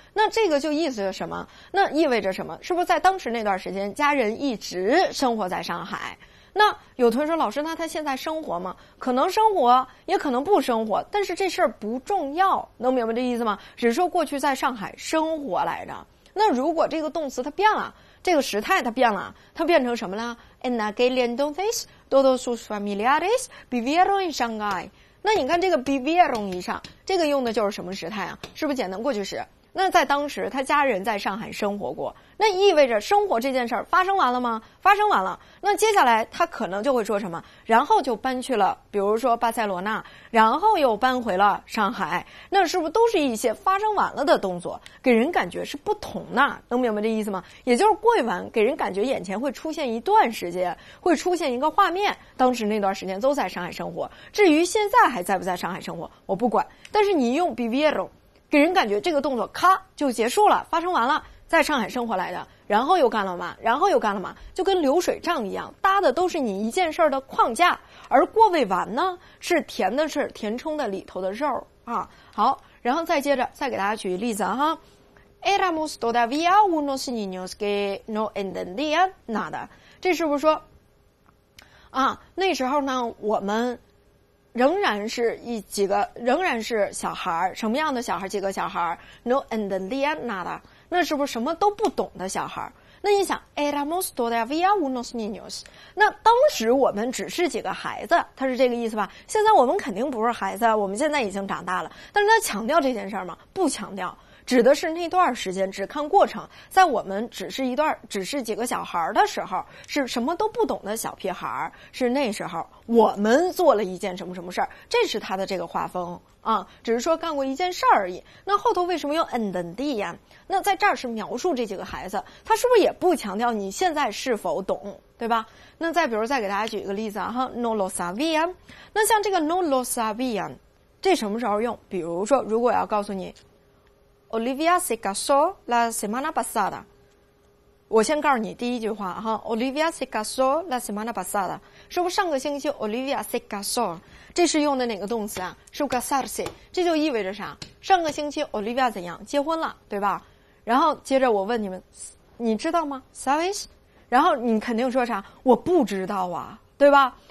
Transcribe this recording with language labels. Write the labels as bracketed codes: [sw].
[zh] 那这个就意思着什么？那意味着什么？是不是在当时那段时间家人一直生活在上海？那有同学说，老师，那他现在生活吗？可能生活也可能不生活，但是这事儿不重要，能明白这意思吗？只是说过去在上海生活来着。那如果这个动词它变了，这个时态它变了，它变成什么呢？ [es] en aquel entonces todos sus familiares vivieron en Shanghai。 [zh] 那你看这个 vivieron 以上，这个用的就是什么时态啊？是不是简单过去时？那在当时他家人在上海生活过，那意味着生活这件事儿发生完了吗？发生完了，那接下来他可能就会说什么，然后就搬去了比如说巴塞罗那，然后又搬回了上海，那是不是都是一些发生完了的动作，给人感觉是不同的，能明白这意思吗？也就是过完给人感觉眼前会出现一段时间，会出现一个画面，当时那段时间都在上海生活，至于现在还在不在上海生活我不管，但是你用 vivieron给人感觉这个动作咔就结束了，发生完了，在上海生活来的，然后又干了嘛，然后又干了嘛，就跟流水账一样，搭的都是你一件事儿的框架，而过未完呢是填的是填充的里头的肉啊。好，然后再接着再给大家举一例子哈， [es] éramos todavía unos niños que no entendían nada. [zh] 这是不是说啊，那时候呢我们仍然是一几个仍然是小孩，什么样的小孩，几个小孩 [es] no entendían nada， [zh] 那是不是什么都不懂的小孩。那你想 [es] éramos todavía unos niños， [zh] 那当时我们只是几个孩子，他是这个意思吧？现在我们肯定不是孩子，我们现在已经长大了。但是他强调这件事吗？不强调，指的是那段时间，只看过程，在我们只是一段只是几个小孩的时候，是什么都不懂的小屁孩，是那时候我们做了一件什么什么事，这是他的这个画风啊，只是说干过一件事而已。那后头为什么有 entendía 那在这儿是描述这几个孩子，他是不是也不强调你现在是否懂，对吧？那再比如再给大家举一个例子啊， [es] no lo sabía， [zh] 那像这个 no lo sabía 这什么时候用？比如说如果要告诉你 [es] Olivia se casó la semana pasada. [zh] 我先告诉你第一句话哈， [es] Olivia se casó la semana pasada. [zh] 是不是上个星期 Olivia [es] se casó? [zh] 这是用的哪个动词啊？是 casarse. 这就意味着啥？上个星期 Olivia 怎样？结婚了，对吧？然后接着我问你们，你知道吗？ [es] ¿Sabes? [zh] 然后你肯定说啥？我不知道啊，对吧？